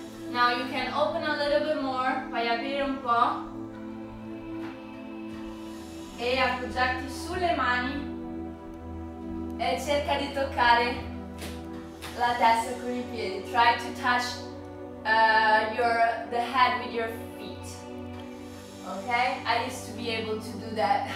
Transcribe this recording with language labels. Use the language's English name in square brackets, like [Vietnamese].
[English] Now you can open a little bit more. [Italian] Fai aprire un po'. E appoggiarti sulle mani e cerca di toccare la testa con i piedi. [English] Try to touch the head with your feet. Okay? I used to be able to do that.